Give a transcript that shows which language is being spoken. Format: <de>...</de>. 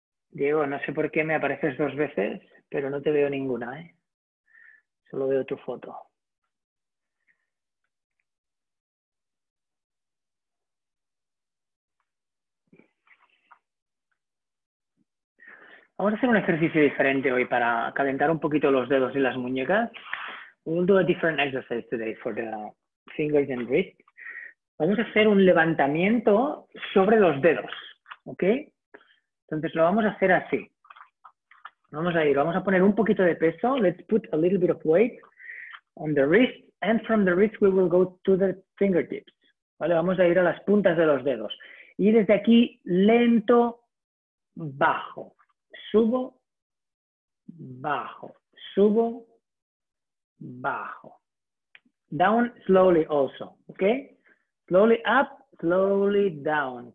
<es>Diego, no sé por qué me apareces dos veces, pero no te veo ninguna, ¿eh? Solo veo tu foto. Vamos a hacer un ejercicio diferente hoy para calentar un poquito los dedos y las muñecas.</es> <en>We'll do a different exercise today for the fingers and wrists.</en> <es>Vamos a hacer un levantamiento sobre los dedos, ¿ok? Entonces lo vamos a hacer así. Vamos a ir, vamos a poner un poquito de peso.</es> <en>Let's put a little bit of weight on the wrist. And from the wrist we will go to the fingertips.</en> <es>¿Vale? Vamos a ir a las puntas de los dedos. Y desde aquí, lento, bajo. Subo, bajo, subo, bajo.</es> <en>Down slowly also, ¿ok? Slowly up, slowly down.</en>